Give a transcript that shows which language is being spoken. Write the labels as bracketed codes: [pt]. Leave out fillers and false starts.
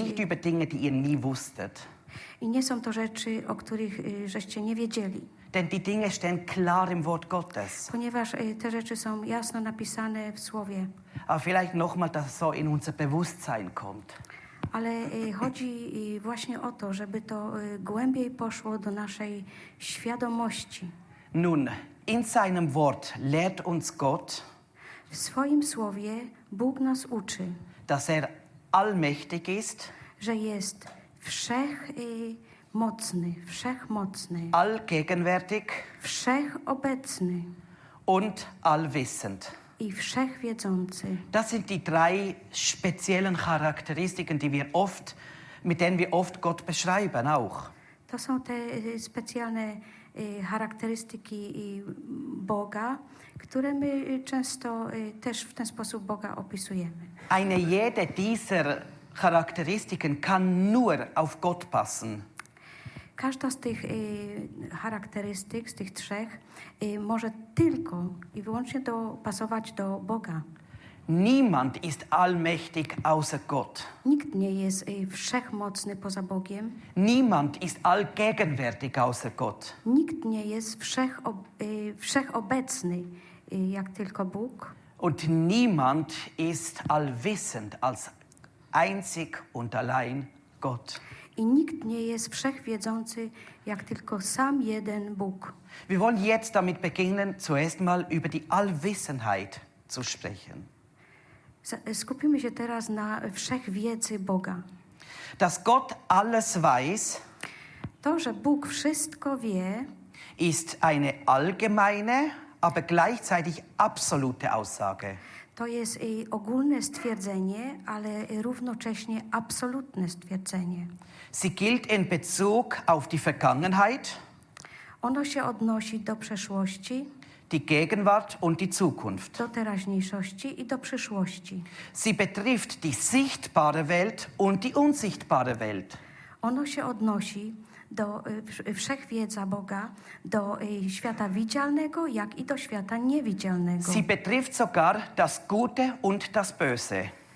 [de] Nicht über Dinge, die ihr nie wusstet. [pl] I nie są to rzeczy, o których żeście nie wiedzieli. [de] Denn die Dinge stehen klar im Wort Gottes. [pl] Ponieważ te rzeczy są jasno napisane w Słowie. [de] Aber vielleicht nochmal, dass so in unser Bewusstsein kommt. [pl] Ale chodzi właśnie o to, żeby to głębiej poszło do naszej świadomości. [de] Nun, in seinem Wort lehrt uns Gott. [pl] W swoim Słowie Bóg nas uczy. [de] Dass er allmächtig ist. [pl] Że jest wszech mocny, wszechmocny, [de] allgegenwärtig, [pl] wszechobecny [de] und allwissend. [pl] I wszechwiedzący. [de] Das sind die drei speziellen Charakteristiken, die wir oft, mit denen wir oft Gott beschreiben auch. [pl] To są te specjalne charakterystyki Boga, które my często też w ten sposób Boga opisujemy. [de] Eine jede dieser Charakteristiken kann nur auf Gott passen. [pl] Każda z tych charakterystyk, z tych trzech, może tylko i wyłącznie pasować do Boga. [de] Niemand ist allmächtig außer Gott. [pl] Nikt nie jest wszechmocny poza Bogiem. [de] Niemand ist allgegenwärtig außer Gott. [pl] Nikt nie jest wszechobecny jak tylko Bóg. [de] Und niemand ist allwissend als einzig und allein Gott. [pl] I nikt nie jest wszechwiedzący, jak tylko sam jeden Bóg. [de] Wir wollen jetzt damit beginnen, zuerst mal über die Allwissenheit zu sprechen. [pl] Skupimy się teraz na wszechwiedzy Boga. [de] Dass Gott alles weiß, [pl] to, że Bóg wszystko wie, [de] ist eine allgemeine, aber gleichzeitig absolute Aussage. [pl] To jest ogólne stwierdzenie, ale równocześnie absolutne stwierdzenie. [de] Sie gilt in Bezug auf die Vergangenheit. [pl] Ono się odnosi do przeszłości. [de] Die Gegenwart und die Zukunft. [pl] Do teraźniejszości i do przyszłości. [de] Sie betrifft die sichtbare Welt und die unsichtbare Welt. [pl] Ono się odnosi do wszechwiedza Boga, do świata widzialnego, jak i do świata niewidzialnego. [de] Sie betrifft sogar das Gute und das Böse.